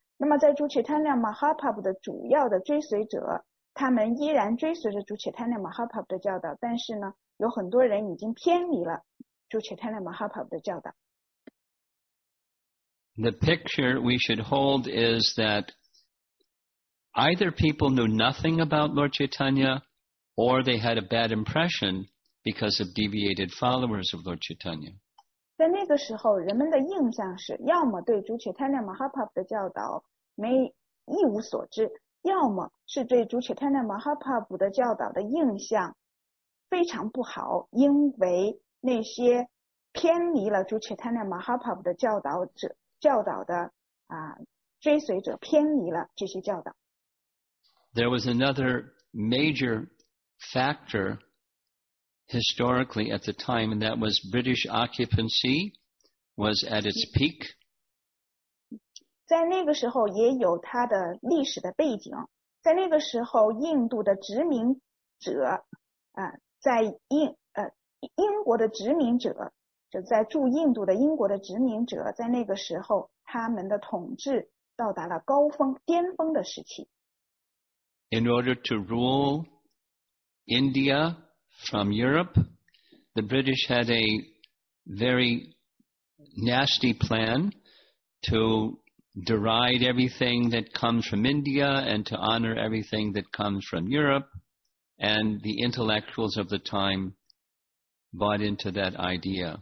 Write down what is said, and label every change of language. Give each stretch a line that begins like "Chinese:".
Chinese: 那么在主切坦纳马哈帕布的主要的追随者，他们依然追随着主切坦纳马哈帕布的教导，但是呢，有很多人已经偏离了主切坦纳马哈帕布的教导。
English: The picture we should hold is that either people knew nothing about Lord Chaitanya, or they had a bad impression because of deviated followers of Lord Chaitanya.
Chinese: 在那个时候人们的印象是要么对主切坦纳马哈帕布的教导没一无所知，要么是对主切坦纳马哈帕布的教导的印象非常不好，因为那些偏离了主切坦纳马哈帕布的教导者教导的追随者偏离了这些教导。
English: There was another major factorHistorically, at the time, and that was British occupancy was at its peak.
Chinese: 在那个时候也有它的历史的背景。在那个时候，印度的殖民者，在英国的殖民者，就在驻印度的英国的殖民者，在那个时候，他们的统治到达了高峰、巅峰的时期。
English: In order to rule India. From Europe, the British had a very nasty plan to deride everything that comes from India and to honor everything that comes from Europe, and the intellectuals of the time bought into that idea.